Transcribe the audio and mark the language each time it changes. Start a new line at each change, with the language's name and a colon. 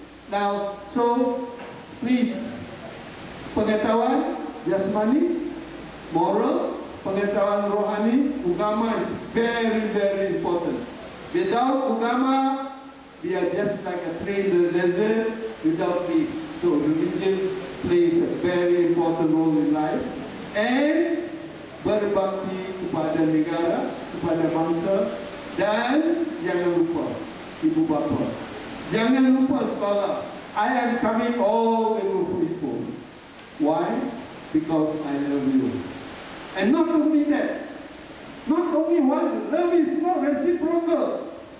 English: Now, so please,
Malay: pengetahuan jasmani, moral, pengetahuan rohani, agama
English: is very, very important. Without agama, we are just like a tree in the desert without leaves. So religion plays a very important role in life.
Malay: And berbakti kepada negara, kepada bangsa, dan jangan lupa ibu bapa. Jangan lupa sekolah.
English: I am coming all the way for you. Why? Because I love you. And not only that, not only one, love is not reciprocal.